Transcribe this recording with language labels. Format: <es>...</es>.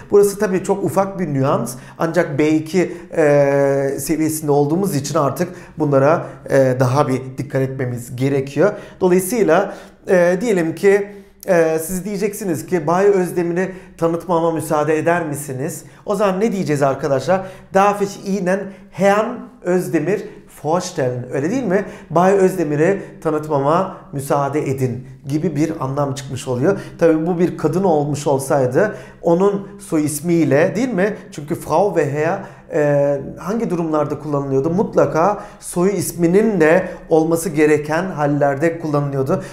<tr>Burası tabii çok ufak bir nüans. Ancak B2 seviyesinde olduğumuz için artık bunlara daha bir dikkat etmemiz gerekiyor. Dolayısıyla diyelim ki siz diyeceksiniz ki Bay Özdemir'i tanıtmama müsaade eder misiniz? O zaman ne diyeceğiz arkadaşlar?</tr> <de>Darf ich Ihnen Herrn Özdemir vorstellen?</de> <tr>Öyle değil mi? Bay Özdemir'i tanıtmama müsaade edin gibi bir anlam çıkmış oluyor. Tabii bu bir kadın olmuş olsaydı onun soy ismiyle, değil mi? Çünkü Frau ve Herr hangi durumlarda kullanılıyordu? Mutlaka soy isminin de olması gereken hallerde kullanılıyordu.</tr>